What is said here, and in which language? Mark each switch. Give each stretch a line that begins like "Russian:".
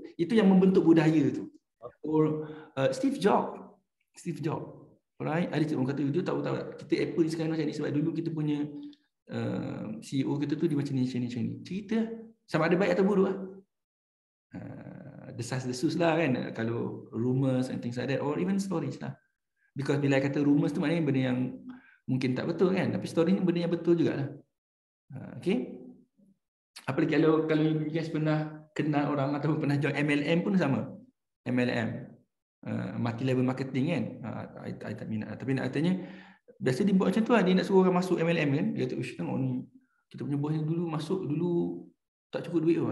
Malay: Itu yang membentuk budaya tu. Or Steve Jobs. Alright, ada cerita. Orang kata, dia tahu tak kita Apple ni sekarang macam ni sebab dulu kita punya CEO kita tu dia macam ni. Cerita lah. Sama ada baik atau buruk lah. Desas-desus lah kan.
English: Kalau rumours and things like that. Or even stories lah.
Malay: Because bila kata rumours tu maknanya benda yang mungkin tak betul kan. Tapi story ni benda yang betul jugalah. Okay. Apalagi kalau
English: you guys
Malay: pernah kenal orang atau pernah join MLM pun sama. MLM. Multi-level marketing kan. I tak minat. Tapi nak katanya, biasa dia buat macam tu lah. Dia nak suruh orang masuk MLM kan. Dia kata, kita punya bos dulu masuk, dulu tak cukup duit pun.